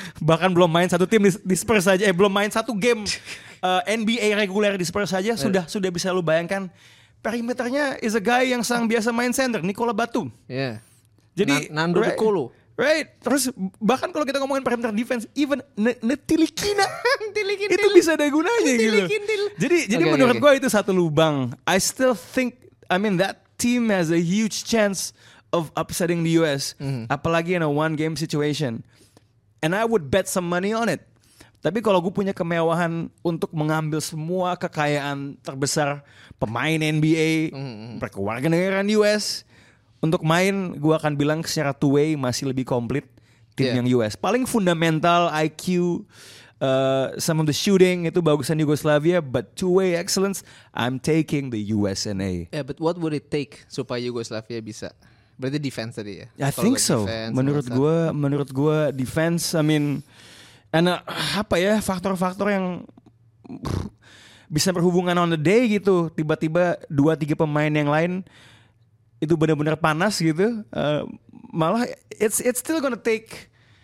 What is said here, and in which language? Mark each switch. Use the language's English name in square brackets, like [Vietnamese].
[Indonesian] Bahkan belum main satu tim di Spurs aja, belum main satu game NBA reguler di Spurs aja sudah bisa lu bayangkan perimeternya [English] is a guy [Indonesian] yang sangat biasa main center, Nicola Batum. Iya. Yeah. Jadi Nando right, Dekolo. Right. Terus bahkan kalau kita ngomongin perimeter defense, even Ntilikina. Ntilikindil. Itu bisa ada gunanya gitu. Jadi menurut gue itu satu lubang. [English] I still think I mean that team has a huge chance of upsetting the US, apalagi in a one game situation, and I would bet some money on it. [Indonesian] Tapi kalau gue punya kemewahan untuk mengambil semua kekayaan terbesar pemain NBA, mereka warga negara US untuk main, gue akan bilang secara two way masih lebih komplit tim yang US. Paling fundamental [English] IQ, some of the shooting [Indonesian] itu bagusan [English] Yugoslavia, but two-way excellence, I'm taking the USNA. Yeah, but what would it take [Indonesian] supaya Yugoslavia bisa? Berarti defense tadi ya? [English] I think so. [Indonesian] Defense, menurut gue defense, [English] I mean, [Indonesian] and apa ya, faktor-faktor yang bisa berhubungan [English] on the day [Indonesian] gitu. Tiba-tiba 2-3 pemain yang lain itu benar-benar panas gitu. [English] Malah it's still gonna take...